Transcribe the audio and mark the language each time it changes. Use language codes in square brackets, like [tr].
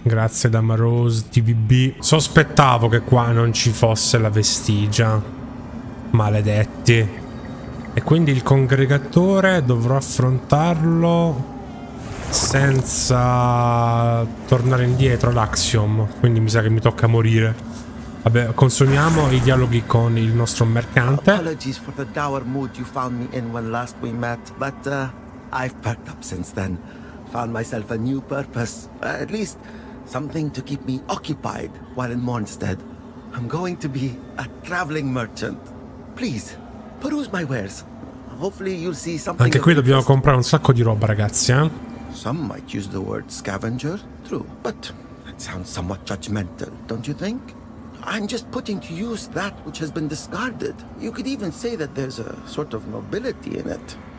[it] Grazie Damaros, TVB. Sospettavo che qua non ci fosse la vestigia. Maledetti. E quindi il congregatore dovrò affrontarlo senza tornare indietro all'Axiom. Quindi mi sa che mi tocca morire. Vabbè, consumiamo i dialoghi con il nostro mercante. [en] Apologies for the dour mood you found me in when last we met, but I've perked up since then. Found myself a new purpose, at least something to keep me occupied while in Mornstead. I'm going to be a traveling merchant. Please, peruse my wares. Hopefully you'll see something. [it] Anche qui dobbiamo comprare un sacco di roba, ragazzi, eh? [en] Some might use the word scavenger, true, but it sounds somewhat judgmental, don't you think? I'm just putting to use that which has been discarded. You could even say that there's a sort of nobility in it.